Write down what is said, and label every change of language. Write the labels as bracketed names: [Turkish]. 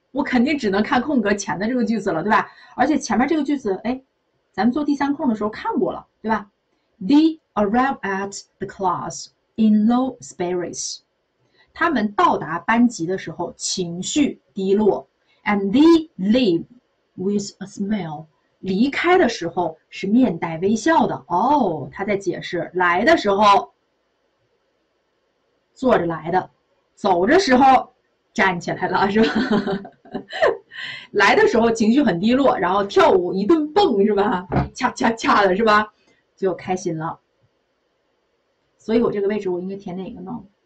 [Chinese] 我肯定只能看空格前的这个句子了，对吧？而且前面这个句子，哎，咱们做第三空的时候看过了，对吧？ [English] They arrive at the class in low spirits， [Chinese] 他们到达班级的时候情绪低落。 [English] And they leave with a smile， [Chinese] 离开的时候是面带微笑的。哦，他在解释，来的时候坐着来的，走着时候站起来了，是吧？来的时候情绪很低落，然后跳舞一顿蹦，是吧？恰恰恰的，是吧？就开心了。所以我这个位置我应该填哪个呢？